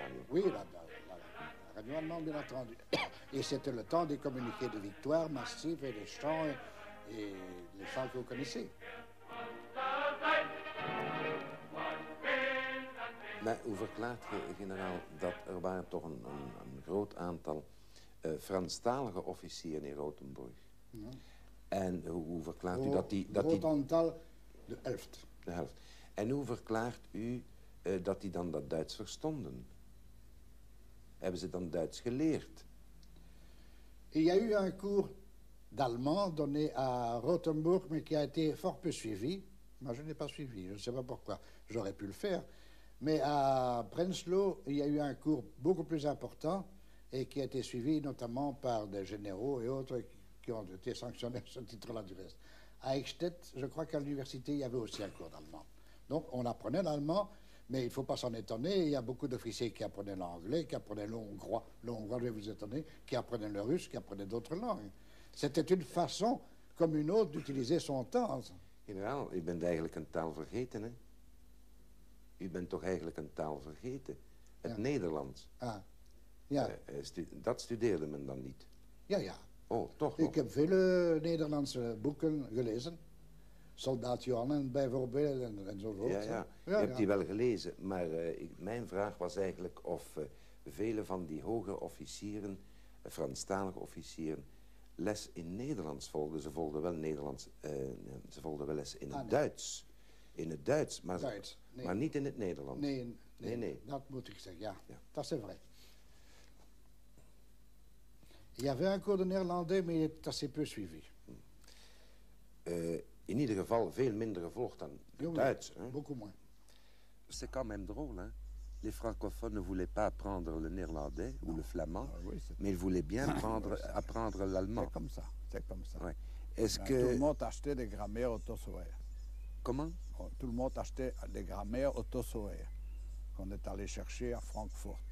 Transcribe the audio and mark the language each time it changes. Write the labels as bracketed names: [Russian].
[French] Oui, radio allemande, bien entendu. Et c'était le temps des communiqués de victoire massifs et des chants et les chants que vous connaissez. [Dutch] Mais hoe verklaart je, generaal, dat er waren toch een groot aantal Franstalige officieren in Rothenburg? En hoe verklaart u dat die... Een groot aantal, de helft. De helft. En hoe verklaart u dat die dan dat Duits verstonden? Hebben ze dan Duits geleerd? [French] Il y a eu un cours d'allemand donné à Rothenburg, mais qui a été fort peu suivi. Moi, je n'ai pas suivi, je ne sais pas pourquoi. J'aurais pu le faire. Mais à Prenzlau, il y a eu un cours beaucoup plus important et qui a été suivi notamment par des généraux et autres qui ont été sanctionnés à ce titre-là du reste. À Eichstätt, je crois qu'à l'université, il y avait aussi un cours d'allemand. Donc, on apprenait l'allemand. Mais il ne faut pas s'en étonner, il y a beaucoup d'officiers qui apprenaient l'anglais, qui apprenaient l'hongrois, je vais vous étonner, qui apprenaient le russe, qui apprenaient d'autres langues. C'était une façon, comme une autre, d'utiliser son temps. [Dutch] Général, u bent eigenlijk een taal vergeten, hè? U bent toch eigenlijk een taal vergeten? Het Nederlands. Ah, ja. Dat studeerde men dan niet? Ja, ja. Oh, toch? Ik heb vele Nederlandse boeken gelezen. Soldaat Johannen bijvoorbeeld enzovoort. Ja, ja. Ja, je hebt die wel gelezen, maar mijn vraag was eigenlijk of vele van die hoge officieren, Franstalige officieren, les in Nederlands volgden. Ze volgden wel Nederlands, ze volgden wel les in het Duits. In het Duits, maar, Duits, nee. Maar niet in het Nederlands. Nee, nee, nee, nee. Dat moet ik zeggen, ja. Ja. Dat is vrai. [French] Il y avait encore de néerlandais, mais c'est assez peu suivi. [Dutch] In ieder geval veel minder gevolgd dan het Duits. [French] Beaucoup moins. C'est quand même drôle, hein? Les francophones ne voulaient pas apprendre le néerlandais ou le flamand, mais ils voulaient bien apprendre l'allemand. C'est comme ça, c'est comme ça. Ouais. Est-ce que... Tout le monde achetait des grammaires auto-sauvaires. Comment? Tout le monde achetait des grammaires auto-sauvaires qu'on est allé chercher à Francfort.